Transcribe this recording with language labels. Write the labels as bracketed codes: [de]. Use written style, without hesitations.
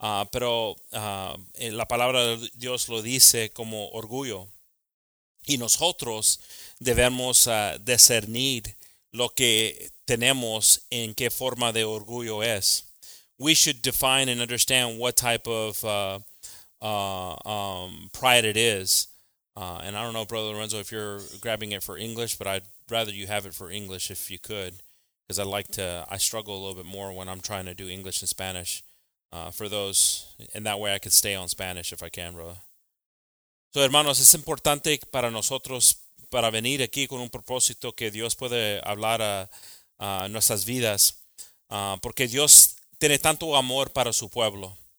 [es] Pero la palabra de Dios lo dice como orgullo. Y nosotros debemos discernir lo que tenemos en qué forma de orgullo es. [en] We should define and understand what type of pride it is. And I don't know, Brother Lorenzo, if you're grabbing it for English, but I'd rather you have it for English if you could, because I struggle a little bit more when I'm trying to do English and Spanish for those, and that way I could stay on Spanish if I can, brother. [es] So, hermanos, es importante para nosotros para venir aquí con un propósito que Dios puede hablar a nuestras vidas, porque Dios tiene tanto amor para su pueblo.